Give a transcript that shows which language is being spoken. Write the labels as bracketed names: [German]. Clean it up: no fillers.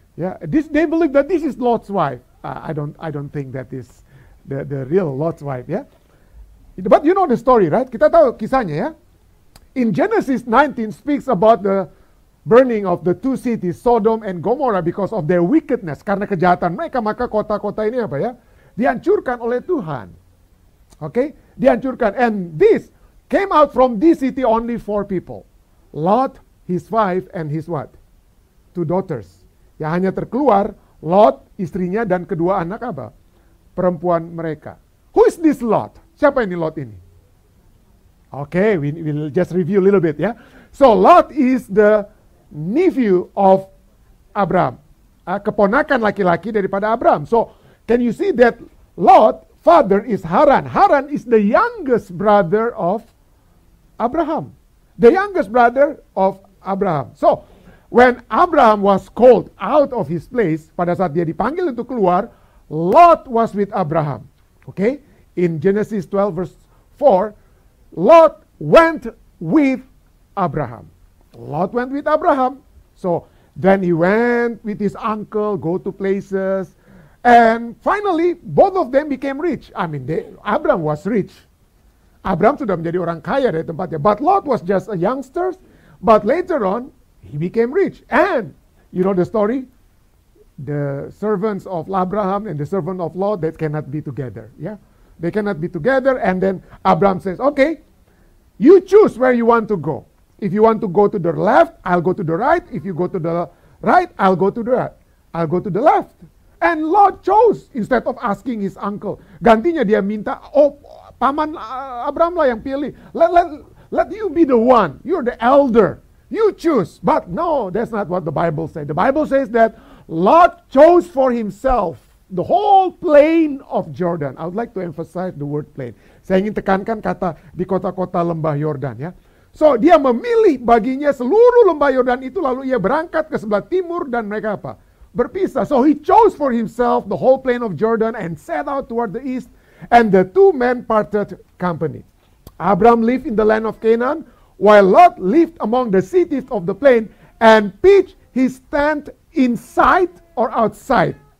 [English] Yeah, they believe that this is Lot's wife. I don't think that is the real Lot's wife. Yeah, but you know the story, right? [Indonesian] Kita tahu kisahnya, ya. [English] In Genesis 19, speaks about the burning of the two cities, Sodom and Gomorrah, because of their wickedness. [Indonesian] Karena kejahatan mereka, maka kota-kota ini apa ya? Dihancurkan oleh Tuhan. Okay? Dihancurkan. [English] And this came out from this city only four people. Lot, his wife, and his what? Two daughters. [Indonesian] Yang hanya terkeluar, Lot, istrinya, dan kedua anak apa? Perempuan mereka. [English] Who is this Lot? [Indonesian] Siapa ini Lot ini? [English] Okay, we'll just review a little bit, ya. Yeah? So Lot is the nephew of Abraham. [Indonesian] Keponakan laki-laki daripada Abraham. [English] So, can you see that Lot, father is Haran. Haran is the youngest brother of Abraham. The youngest brother of Abraham. So, when Abraham was called out of his place, [Indonesian] pada saat dia dipanggil untuk keluar, [English] Lot was with Abraham. Okay? In Genesis 12 verse 4, Lot went with Abraham. Lot went with Abraham. So then he went with his uncle, go to places. And finally, both of them became rich. I mean, Abraham was rich. [Indonesian] Abraham sudah menjadi orang kaya dari tempatnya. [English] But Lot was just a youngster. But later on, he became rich. And you know the story? The servants of Abraham and the servant of Lot, they cannot be together. Yeah, they cannot be together. And then Abraham says, okay, you choose where you want to go. If you want to go to the left, I'll go to the right. If you go to the right, I'll go to the left. And Lot chose instead of asking his uncle. [Indonesian] Gantinya dia minta, oh, paman Abraham lah yang pilih. [English] Let you be the one. You're the elder. You choose. But no, that's not what the Bible says. The Bible says that Lot chose for himself the whole plain of Jordan. I would like to emphasize the word plain. [Indonesian] Saya ingin tekankan kata di kota-kota lembah Yordan, ya. So, dia memilih baginya seluruh lembah Yordan itu, lalu ia berangkat ke sebelah timur, dan mereka apa? Berpisah. [English] So, he chose for himself the whole plain of Jordan and set out toward the east, and the two men parted company. Abraham lived in the land of Canaan, while Lot lived among the cities of the plain and pitched his tent inside or outside.